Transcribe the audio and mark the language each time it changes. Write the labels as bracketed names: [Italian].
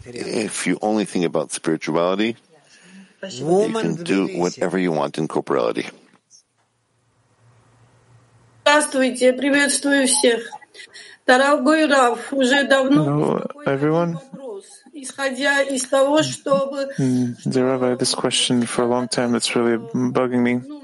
[English] If you only think about spirituality, you can do whatever you want in corporeality. [Russian] Здравствуйте, приветствую всех. Дорогой Рав, уже давно... [English] Everyone? Dear Rabbi, I had this question for a long time that's really bugging me.